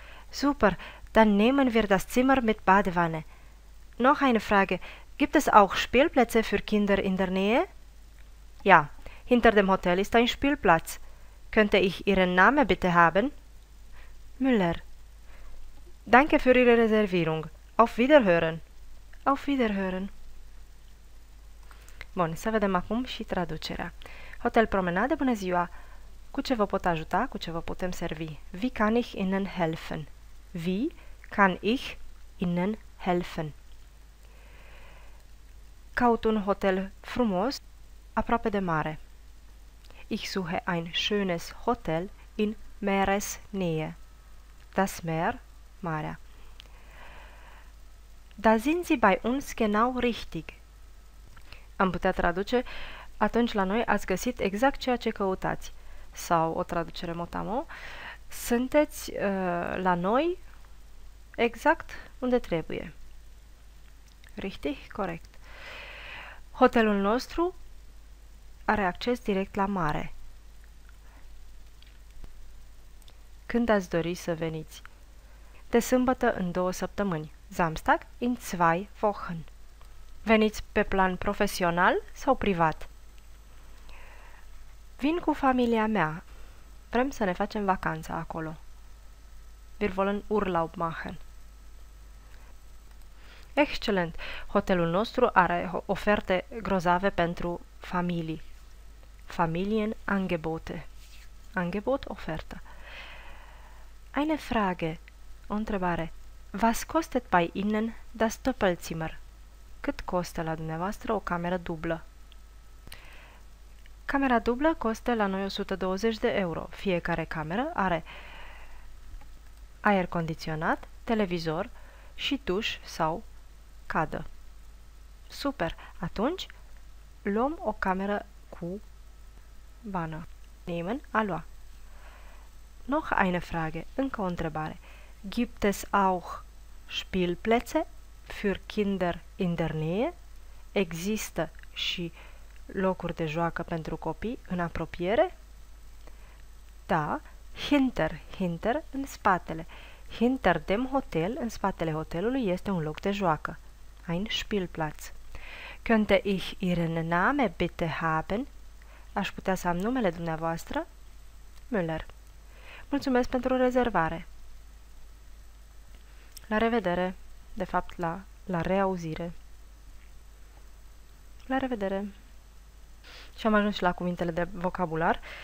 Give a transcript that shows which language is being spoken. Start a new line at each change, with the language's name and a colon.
German: Super, dann nehmen wir das Zimmer mit Badewanne. Noch eine Frage, gibt es auch Spielplätze für Kinder in der Nähe? Ja, hinter dem Hotel ist ein Spielplatz. Könnte ich Ihren Namen bitte haben? Müller. Danke für Ihre Reservierung. Auf Wiederhören. Auf Wiederhören.
Romanian: Bun, să vedem acum și traducerea. Hotel Promenade, bună ziua. Cu ce vă pot ajuta? Cu ce vă putem servi?
German: Wie kann ich Ihnen helfen? Wie kann ich Ihnen helfen?
Romanian: Caut un hotel frumos, aproape de mare.
German: Ich suche ein schönes Hotel in Meeresnähe. Das Meer.
Romanian: Marea.
German: Da sind Sie bei uns genau richtig.
Romanian: Am putea traduce, atunci la noi ați găsit exact ceea ce căutați. Sau o traducere motamo, sunteți la noi exact unde trebuie.
German: Richtig,
Romanian: corect. Hotelul nostru are acces direct la mare. Când ați dori să veniți? De sâmbătă în 2 săptămâni.
German: Samstag in 2 Wochen.
Romanian: Veniți pe plan profesional sau privat? Vin cu familia mea. Vrem să ne facem vacanța acolo.
German: Wir wollen Urlaub machen.
Romanian: Excelent! Hotelul nostru are oferte grozave pentru familii.
German: Familienangebote. Angebot,
Romanian: ofertă.
German: Eine Frage.
Romanian: O întrebare.
German: Was kostet bei Ihnen das Doppelzimmer?
Romanian: Cât costă la dumneavoastră o cameră dublă? Camera dublă costă la noi 120 de euro. Fiecare cameră are aer condiționat, televizor și duș sau cadă. Super! Atunci luăm o cameră cu bană.
German: Nehmen
Romanian: a lua.
German: Noch eine Frage.
Romanian: Încă o întrebare.
German: Gibt es auch Spielplätze für Kinder in der Nähe?
Romanian: Există și locuri de joacă pentru copii în apropiere?
German: Da, hinter,
Romanian: în spatele.
German: Hinter dem Hotel,
Romanian: în spatele hotelului, este un loc de joacă.
German: Ein Spielplatz. Könnte ich Ihren Namen bitte haben?
Romanian: Aș putea să am numele dumneavoastră? Müller. Mulțumesc pentru rezervare. La revedere, de fapt la reauzire. La revedere. Și am ajuns la cuvintele de vocabular.